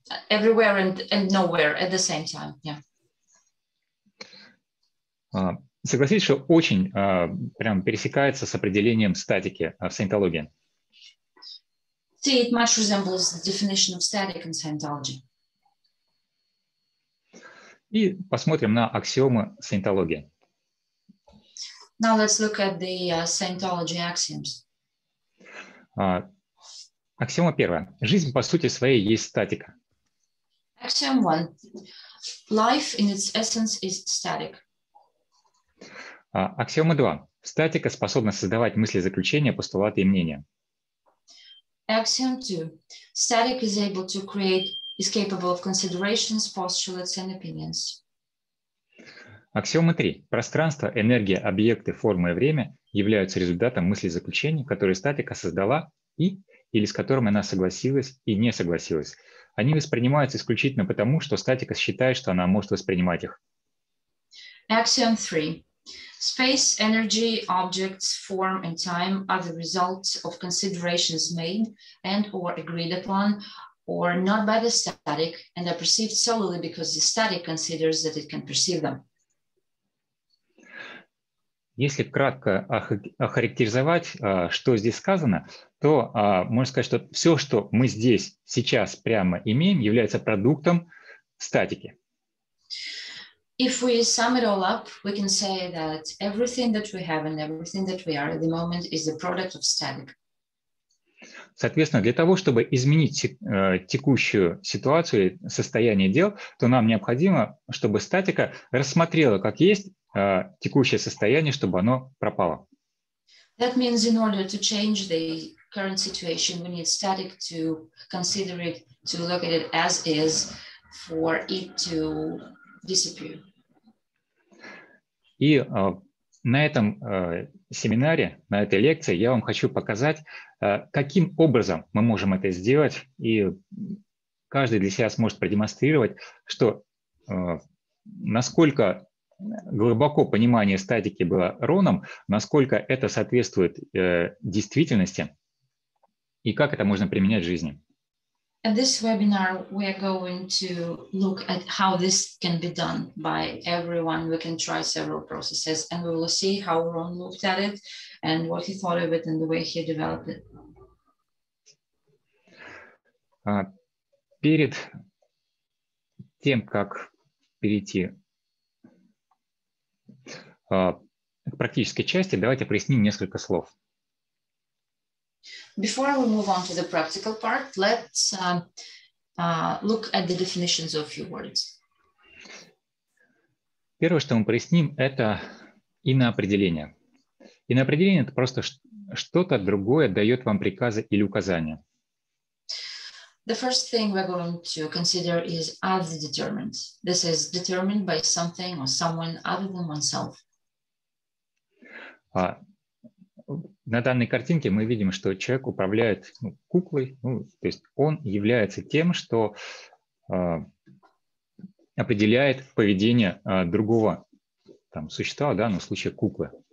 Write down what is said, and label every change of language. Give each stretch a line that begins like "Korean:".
English: Everywhere and nowhere at the same time, yeah.
Russian: Согласитесь, что очень прям пересекается с определением статики в саентологии.
English: See, it much resembles the definition of static in Scientology.
Russian: И посмотрим на аксиомы саентологии.
English: Now let's look at the Scientology axioms.
Russian: Аксиома первая. Жизнь по сути своей есть статика.
English: Axiom one. Life in its essence is static.
Russian: Аксиома 2. Статика способна создавать мысли, заключения, постулаты и мнения.
English: Axiom 2. Static is able to create, is capable of considerations, postulates and opinions.
Russian: Аксиома 3. Пространство, энергия, объекты, формы и время являются результатом мыслей, заключений, которые статика создала и или с которыми она согласилась и не согласилась. Они воспринимаются исключительно потому, что статика считает, что она может воспринимать их.
English: Axiom 3. Space, energy, objects, form, and time are the results of considerations made and or agreed upon or not by the static and are perceived solely because the static considers that it can perceive them.
Russian: Если кратко охарактеризовать, что здесь сказано, то можно сказать, что все, что мы здесь сейчас прямо имеем, является продуктом статики.
English: If we sum it all up, we can say that everything that we have and everything that we are at the moment is the product of static.
Russian: Соответственно, для того, чтобы изменить текущую ситуацию, состояние дел, то нам необходимо, чтобы статика рассмотрела, как есть текущее состояние, чтобы оно пропало.
English: That means in order to change the current situation, we need static to consider it, to look at it as is, for it to disappear.
Russian: И на этом семинаре, на этой лекции я вам хочу показать, каким образом мы можем это сделать, и каждый для себя сможет продемонстрировать, что насколько глубоко понимание статики было Роном, насколько это соответствует действительности, и как это можно применять в жизни.
English: In this webinar, we are going to look at how this can be done by everyone. We can try several processes, and we will see how Ron looked at it and what he thought of it and the way he developed it.
Russian: Перед тем, как перейти к практической части, давайте проясним несколько слов.
English: Before we move on to the practical part, let's look at the definitions of few words.
Russian: Первое, что мы проясним, это иноопределение. Иноопределение – это просто что-то другое дает вам приказы или указания.
English: The first thing we're going to consider is other determinants. This is determined by something or someone other than oneself.
Russian: На данной картинке мы видим, что человек управляет куклой, то есть он является тем, что определяет поведение другого там, существа, да, в случае куклы.